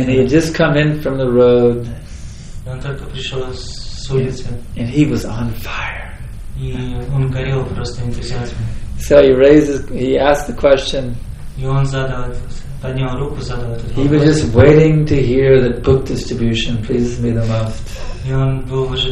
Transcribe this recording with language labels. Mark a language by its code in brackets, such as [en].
[en] And he had just come in from the road. [ru] И он только пришел с улицы. [en] And he was on fire. [ru] И он горел просто энтузиазмом. [en] So he asked the question. [ru] И он задал этот вопрос. [en] He was just waiting to hear that book distribution pleases me the most.